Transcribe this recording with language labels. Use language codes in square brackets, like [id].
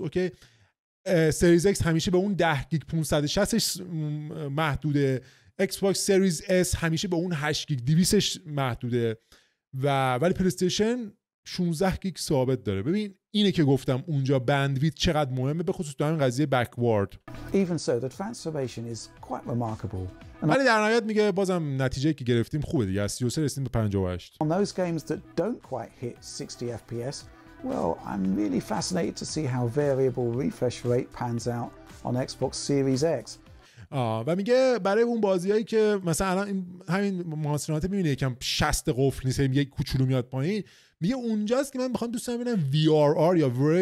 [fa] اوکی، سریز ایکس همیشه به اون 10 گیگ 560 اش محدوده، ایکس باکس سریز اس همیشه به اون 8 گیگ 200 اش محدوده، و ولی پلی استیشن 16 گیگ ثابت داره. ببین اینه که گفتم اونجا بندویت چقدر مهمه به خصوص در این قضیه بکوارد. [en] Even so, the transformation is quite remarkable. [fa] ولی در نهایت میگه بازم نتیجه که گرفتیم خوبه دیگه. 33 رسیدیم به 58. [en] On those games that don't quite hit 60 FPS, well, I'm really fascinated to see how variable refresh rate pans out on Xbox Series X. [fa] و میگه برای اون بازیایی که مثلا الان همین مانسترات میبینه یکم 60 قفل نیست، میگه کوچولو میاد پایین، میگه اونجاست که من میخوام دوستان ببینم VRR یا